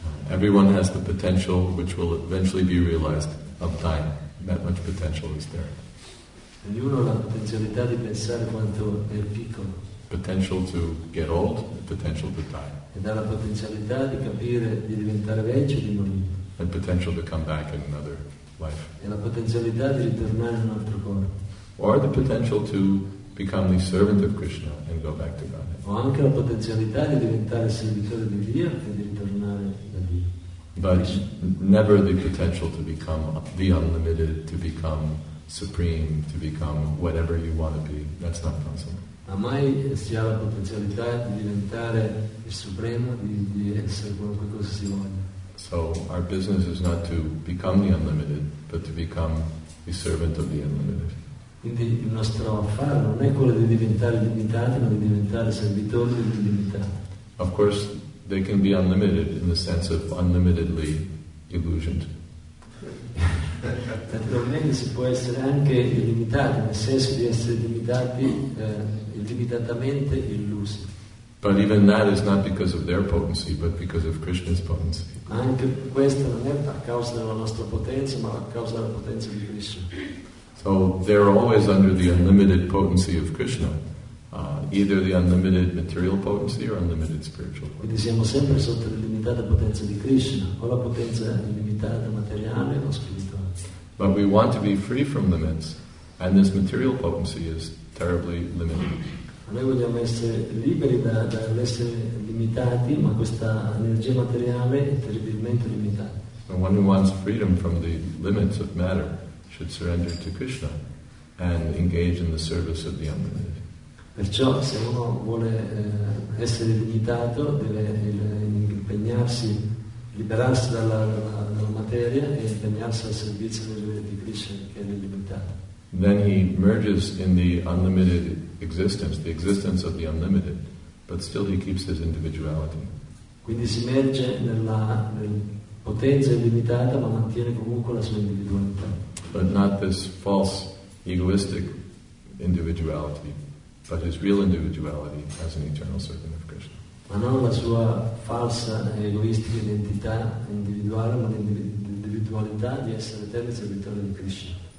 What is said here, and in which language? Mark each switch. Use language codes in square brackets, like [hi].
[en] Everyone has the potential which will eventually be realized of dying. That much potential is there. [it] Ognuno ha la potenzialità di pensare quanto è piccolo. [en] Potential to get old, potential to die. [it] E dà la potenzialità di capire di diventare vecchio e di morire. [en] And potential to come back in another life. [it] E la potenzialità di ritornare in un altro corpo. [en] Or the potential to become the servant of Krishna and go back to God. [it] O anche la potenzialità di diventare servitore di Dio e di ritornare da Dio. [en] But never the potential to become the unlimited, to become supreme, to become whatever you want to be. That's not possible. [it] Ma mai si ha la potenzialità di diventare il supremo, di essere qualunque cosa si voglia. [en] So our business is not to become the unlimited, but to become the servant of the unlimited. [it] Quindi il nostro affare non è quello di diventare limitati, ma di diventare servitori dell'illimitato. [en] Of course, they can be unlimited in the sense of unlimitedly illusioned. [it] Naturalmente si può essere anche illimitati, nel senso di essere limitati, illimitatamente illusi. [en] But even that is not because of their potency, but because of Krishna's potency. [it] Anche questo non è a causa della nostra potenza, ma a causa della potenza di Krishna. [en] So they're always under the unlimited potency of Krishna. Either the unlimited material potency or unlimited spiritual potency. [it] Quindi siamo sempre sotto l'illimitata potenza di Krishna, o la potenza illimitata materiale o spirituale. [en] But we want to be free from limits, and this material potency is terribly limited. [it] Noi vogliamo essere liberi dall'essere limitati, ma questa energia materiale è terribilmente limitata. [en] The one who wants freedom from the limits of matter should surrender to Krishna and engage in the service of the unlimited. [it] Perciò, se uno vuole essere limitato, deve impegnarsi, liberarsi dalla materia e impegnarsi al servizio di Krishna, che è l'illimitato. [en] Then he merges in the unlimited existence, the existence of the unlimited, but still he keeps his individuality. [it] Quindi si merge nella potenza illimitata, ma mantiene comunque la sua individualità. [en] But not this false, egoistic individuality. But his real individuality as an eternal servant of Krishna. [it] Ma non la sua falsa e egoistica identità individuale, ma l'individualità di essere eterno servitore di Krishna.